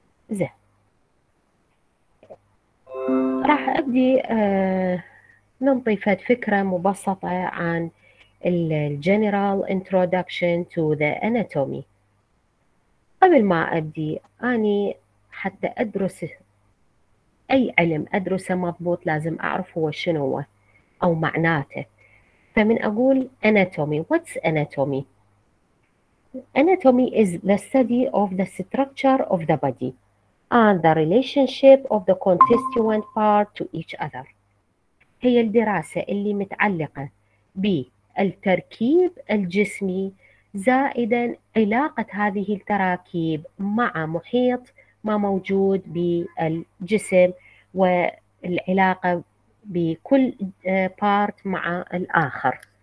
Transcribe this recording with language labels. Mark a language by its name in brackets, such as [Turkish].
[Arabic] زين، راح أبدي ننطي فد فكرة مبسطة عن الجنرال [English] Introduction to the anatomy. [Arabic] قبل ما ابدي، اني حتى ادرس اي علم ادرسه مضبوط لازم اعرف هو شنو هو او معناته. فمن اقول [English] Anatomy, what's anatomy? Anatomy is the study of the structure of the body and the relationship of the constituent part to each other. [Arabic] هي الدراسة اللي متعلقة ب التركيب الجسمي، زائدا علاقة هذه التراكيب مع محيط ما موجود بالجسم والعلاقة بكل بارت مع الآخر.